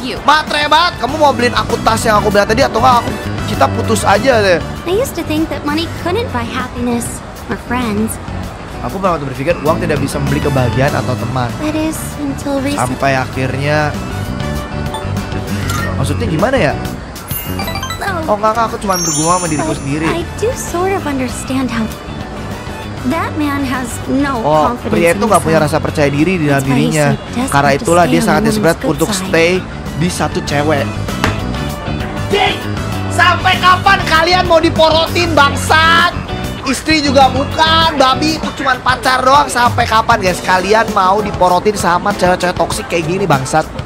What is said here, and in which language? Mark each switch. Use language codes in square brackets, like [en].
[id] matre banget. Kamu mau beliin aku tas yang aku bilang tadi atau enggak aku kita putus aja deh. [en] I used to think that money couldn't buy happiness or friends. [id] Aku pernah berpikir uang tidak bisa membeli kebahagiaan atau teman. [en] That is until recently. [id] Sampai akhirnya. Maksudnya gimana ya? Oh enggak, aku cuma bergumam sama diriku sendiri. [en] I do sort of understand how that man has no confidence. [id] Oh, pria itu enggak punya rasa percaya diri di dalam dirinya. Karena itulah dia sangat desperate untuk stay di satu cewek. Dik, sampai kapan kalian mau diporotin bangsat? Istri juga bukan, babi itu cuma pacar doang. Sampai kapan guys kalian mau diporotin sama cewek-cewek toksik kayak gini bangsat?